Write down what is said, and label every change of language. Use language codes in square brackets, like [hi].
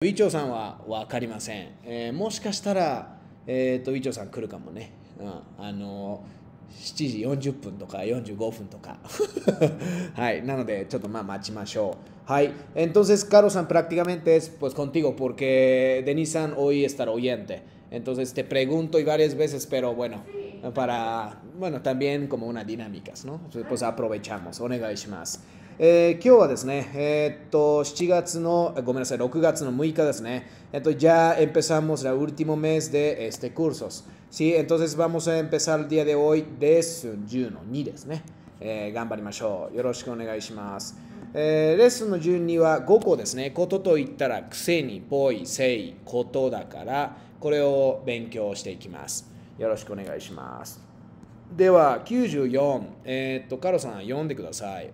[ja] 委員長さんは分かりません、もしかしたら、委員長さん来るかもね、7時40分とか45分とか、はい、なのでちょっとまあ待ちましょう。 [es] はい、entonces Carlos さん prácticamente es pues contigo porque Denis さん hoy estará oyente, entonces te pregunto y varias veces, pero bueno, para bueno también como una dinámicas, ¿no? Entonces pues aprovechamos, [ja] お願いします。今日はですね、7月の、ごめんなさい、6月の6日ですね。 [es] ya empezamos el último mes de este curso. Sí, entonces vamos a empezar el día de hoy de [ja] 10 の2ですね。頑張りましょう。よろしくお願いします。レッスンの順には5個ですね。ことと言ったら、くせに、ぽい、せい、ことだから、これを勉強していきます。よろしくお願いします。では94、カロさん読んでください。